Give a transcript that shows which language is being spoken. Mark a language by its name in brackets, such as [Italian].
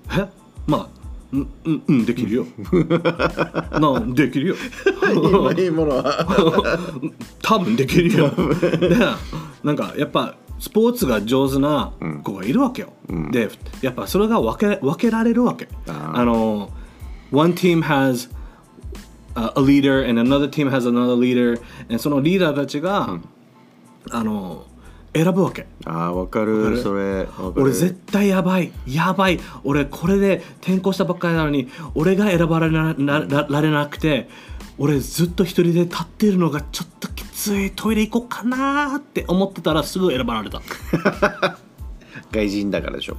[Japanese] え、まあうんうん、できるよなんできるよいいものは多分できるよでなんかやっぱスポーツが上手な子がいるわけよ、うん、でやっぱそれが分けられるわけ。あの [English] One team has a leader and another team has another leader and [Japanese] そのリーダーたちが、うん、あの選ぶわけ。あ、わかる。それ分かる。俺絶対やばいやばい。俺これで転校したばっかりなのに俺が選ばれ られなくて俺ずっと一人で立ってるのがちょっときつい。トイレ行こうかなって思ってたらすぐ選ばれた外人だからでしょ。